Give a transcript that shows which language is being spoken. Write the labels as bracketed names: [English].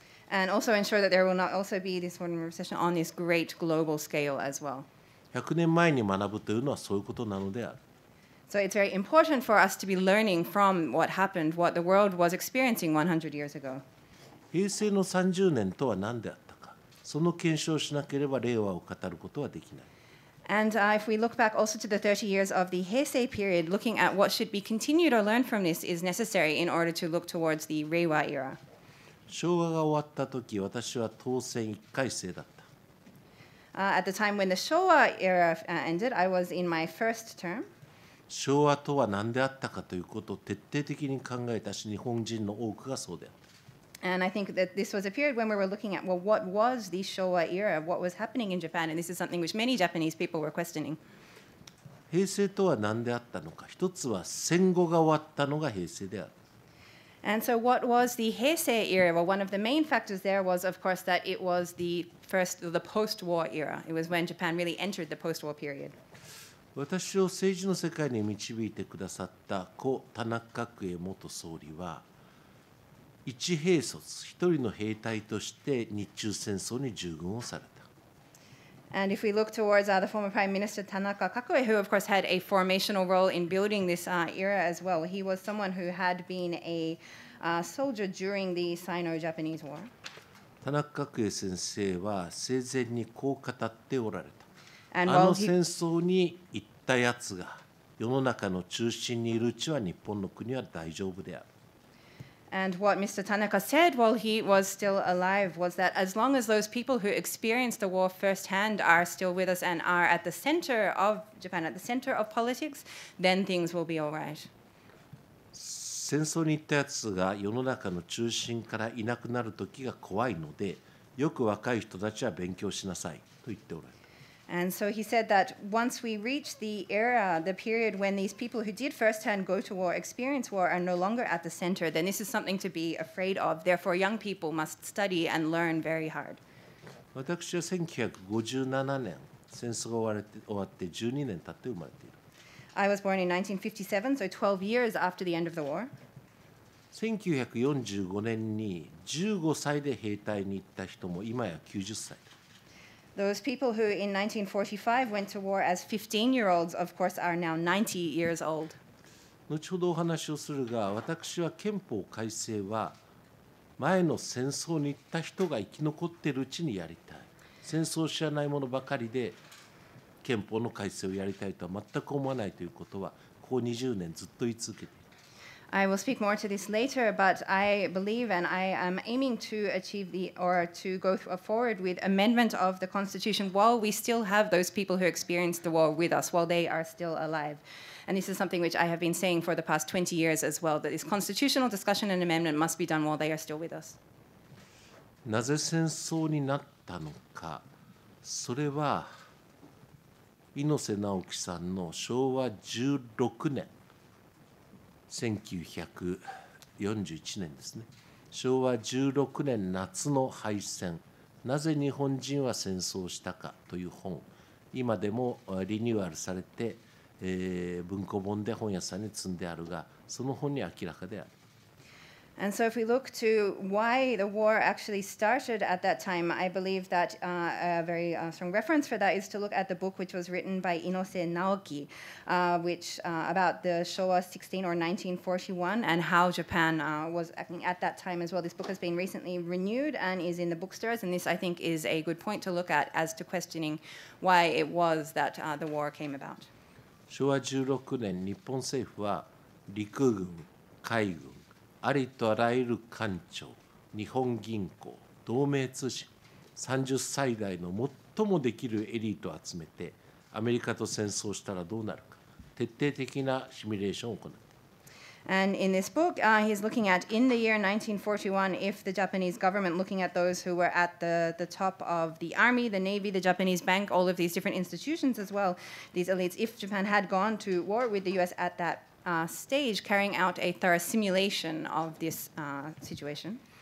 [English] And also ensure that there will not also be this modern recession on this great global scale as well. [Japanese] 100年前に学ぶというのはそういうことなのである。 [English] So it's very important for us to be learning from what happened, what the world was experiencing 100 years ago. [Japanese] 平成の30年とは何であったか。その検証をしなければ令和を語ることはできない。 [English] And if we look back also to the 30 years of the Heisei period, looking at what should be continued or learned from this is necessary in order to look towards the Reiwa era. [Japanese] 昭和が終わったとき、私は当選1回生だった。 [English] At the time when the Showa era ended, I was in my first term. [Japanese] 昭和とは何であったかということを徹底的に考えたし、日本人の多くがそうである。 [English] And I think that this was a period when we were looking at, well, what was the Showa era? What was happening in Japan? And this is something which many Japanese people were questioning. [Japanese] 平成とは何であったのか。一つは戦後が終わったのが平成である。 [English] And so what was the Heisei era? Well, one of the main factors there was, of course, that it was the first, the post-war era. It was when Japan really entered the post-war period. [Japanese] 私を政治の世界に導いてくださった故田中角栄元総理は、一兵卒、一人の兵隊として日中戦争に従軍をされた。 [English] And if we look towards the former Prime Minister Tanaka Kakue, who of course had a formational role in building this era as well, he was someone who had been a soldier during the Sino-Japanese War. [Japanese] 田中角栄先生は生前にこう語っておられた。 [English] And while he... [Japanese] あの戦争に行ったやつが世の中の中心にいるうちは日本の国は大丈夫である。 [English] And what Mr. Tanaka said while he was still alive was that as long as those people who experienced the war firsthand are still with us and are at the center of Japan, at the center of politics, then things will be all right. [Japanese] 戦争に行ったやつが世の中の中心からいなくなる時が怖いので、よく若い人たちは勉強しなさいと言っておられる。 [English] And so he said that once we reach the era, the period when these people who did firsthand go to war, experience war, are no longer at the center, then this is something to be afraid of. Therefore, young people must study and learn very hard. [Japanese] 私は1957年、戦争が終わって12年経って生まれている。 [English] I was born in 1957, so 12 years after the end of the war. [Japanese] 1945年に15歳で兵隊に行った人も今や90歳。 [English] Those people who in 1945 went to war as 15-year-olds, of course, are now 90 years old. [Japanese] 後ほどお話をするが、私は憲法改正は前の戦争に行った人が生き残っているうちにやりたい。戦争を知らないものばかりで憲法の改正をやりたいとは全く思わないということは、ここ20年ずっと言い続けている。 [English] I will speak more to this later, but I believe and I am aiming to achieve the or to go forward with amendment of the Constitution while we still have those people who experienced the war with us, while they are still alive. And this is something which I have been saying for the past 20 years as well, that this constitutional discussion and amendment must be done while they are still with us. [Japanese] なぜ戦争になったのか、それは猪瀬直樹さんの昭和16年。 1941年ですね。昭和16年夏の敗戦、なぜ日本人は戦争をしたかという本、今でもリニューアルされて、文庫本で本屋さんに積んであるが、その本に明らかである。 [English] And so if we look to why the war actually started at that time, I believe that a very strong reference for that is to look at the book which was written by Inose Naoki, which about the Showa 16 or 1941 and how Japan was acting at that time as well. This book has been recently renewed and is in the bookstores, and this I think is a good point to look at as to questioning why it was that the war came about. [Japanese] 昭和16年、日本政府は陸軍、海軍、ありとあらゆる官庁、日本銀行、同盟通信、30歳代の最もできるエリートを集めて、アメリカと戦争したらどうなるか、徹底的なシミュレーションを行う。 [English] And in this book, he's looking at in the year 1941, if the Japanese government, looking at those who were at the top of the army, the navy, the Japanese bank, all of these different institutions as well, these elites, if Japan had gone to war with the US at thatstage, carrying out a thorough simulation of this situation.